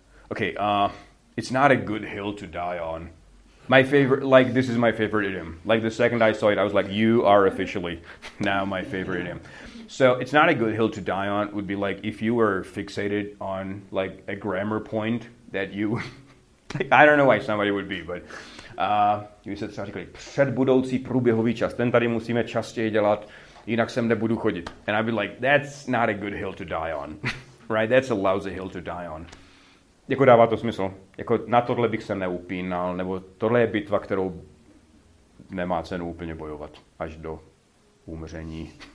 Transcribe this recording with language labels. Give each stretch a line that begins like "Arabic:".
English: Okay, it's not a good hill to die on. My favorite, like, this is my favorite idiom. Like, the second I saw it, I was like, you are officially now my favorite idiom. So, it's not a good hill to die on would be like, if you were fixated on, like, a grammar point,
Czech: that you, I don't know why somebody would be, but vy se třeba říkali, předbudoucí průběhový čas, ten tady musíme častěji dělat, jinak sem nebudu chodit.
English: And I'd be like, that's not a good hill to die on, right? That's a lousy hill to die on.
Czech: Jako dává to smysl, jako na tohle bych se neupínal, nebo tohle je bitva, kterou nemá cenu úplně bojovat až do umření.